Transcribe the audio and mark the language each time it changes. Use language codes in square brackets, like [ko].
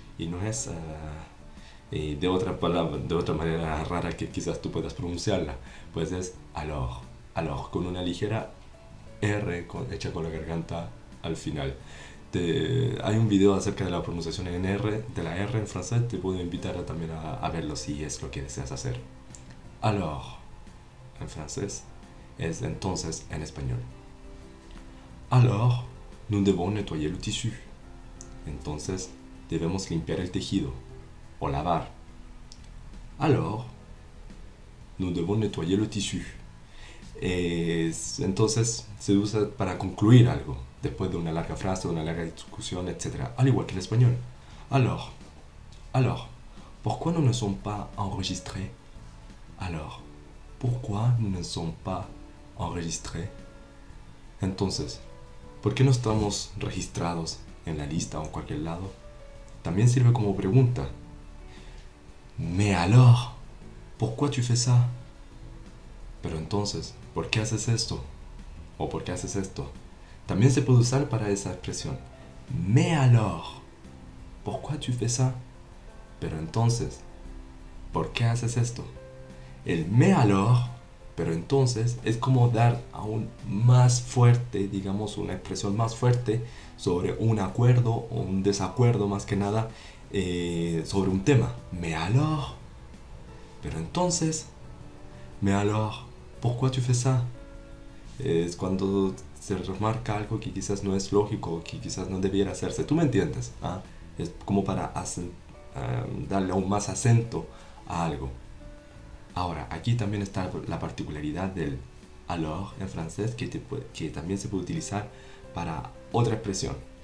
[es] Y no es y de otra palabra, de otra manera rara que quizás tú puedas pronunciarla, pues es alors, alors, con una ligera R hecha con la garganta al final. Hay un video acerca de la pronunciación en R, de la R en francés, te puedo invitar a, también a verlo si es lo que deseas hacer. Alors, en francés, es entonces en español. [fr] Alors, nous devons nettoyer le tissu. [es] Entonces, debemos limpiar el tejido o lavar. [fr] Alors, nous devons nettoyer le tissu. [es] Entonces se usa para concluir algo, después de una larga frase, de una larga discusión, etc. Al igual que en español. [fr] Alors, pourquoi nous ne sommes pas enregistrés? Alors, pourquoi nous ne sommes pas enregistrés? [es] Entonces, ¿por qué no estamos registrados en la lista o en cualquier lado? También sirve como pregunta. [fr] Mais alors, pourquoi tu fais ça? [es] Pero entonces, ¿por qué haces esto? ¿O por qué haces esto? También se puede usar para esa expresión. [fr] Mais alors, pourquoi tu fais ça? [es] Pero entonces, ¿por qué haces esto? El mais alors, pero entonces, es como dar aún más fuerte, digamos, una expresión más fuerte sobre un acuerdo o un desacuerdo, más que nada, sobre un tema. [fr] Mais alors, [es] pero entonces, [fr] mais alors, pourquoi tu fais ça? [es] Es cuando se remarca algo que quizás no es lógico, que quizás no debiera hacerse. ¿Tú me entiendes? ¿Ah? Es como para darle aún más acento a algo. Ahora, aquí también está la particularidad del alors en francés que también se puede utilizar para otra expresión.